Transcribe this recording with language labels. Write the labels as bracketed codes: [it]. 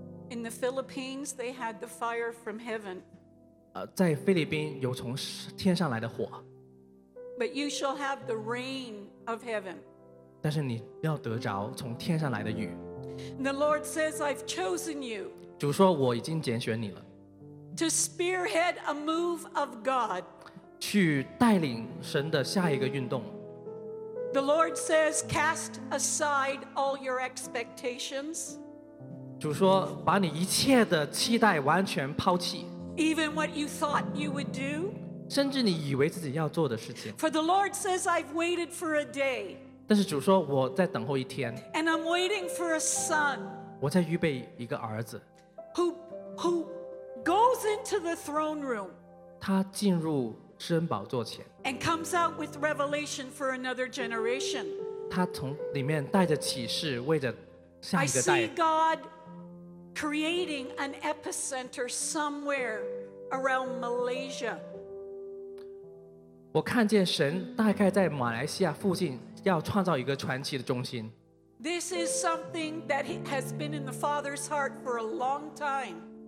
[en] In the Philippines, they had the fire from heaven. [zh] 在菲律宾有从天上来的火。 [en] But you shall have the rain of heaven. [zh] 但是你要得着从天上来的雨。 [en] And the Lord says, I've chosen you. [zh] 主说我已经拣选你了。 [en] To spearhead a move of God. [zh] 去带领神的下一个运动。 [en] The Lord says, cast aside all your expectations. [zh] 主说，把你一切的期待完全抛弃。 [en] Even what you thought you would do. [zh] 甚至你以为自己要做的事情。 [en] For the Lord says, I've waited for a day. [zh] 但是主说，我在等候一天。 [en] And I'm waiting for a son. [zh] 我在预备一个儿子。 [en] Who goes into the throne room. [zh] 他进入诗恩宝座前。 [en] And comes out with revelation for another generation. [zh] 他从里面带着启示，为着下一个代。 [en] I see God creating an epicenter somewhere around Malaysia. [zh] 我看见神大概在马来西亚附近要创造一个传奇的中心。 [en] This is something that has been in the Father's heart for a long time.